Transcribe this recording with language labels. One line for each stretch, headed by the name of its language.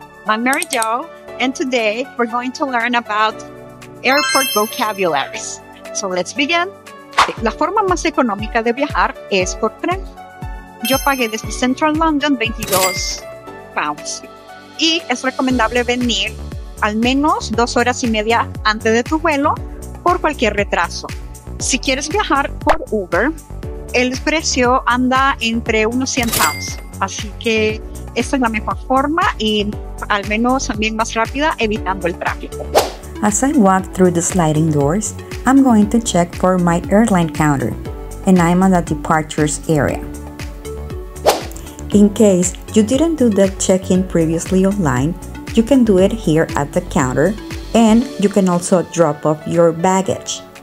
English: I'm Mary Jo, and today we're going to learn about airport vocabularies. So let's begin.
Spanish: La forma más económica de viajar es por tren. Yo pagué desde Central London 22 pounds. Y es recomendable venir al menos 2 horas y media antes de tu vuelo por cualquier retraso. Si quieres viajar por Uber, el precio anda entre unos 100 pounds. Así que esta es la mejor forma y al menos también más rápida, evitando el tráfico.
English: As I walk through the sliding doors, I'm going to check for my airline counter, and I'm on the departures area. In case you didn't do the check-in previously online, you can do it here at the counter, and you can also drop off your baggage.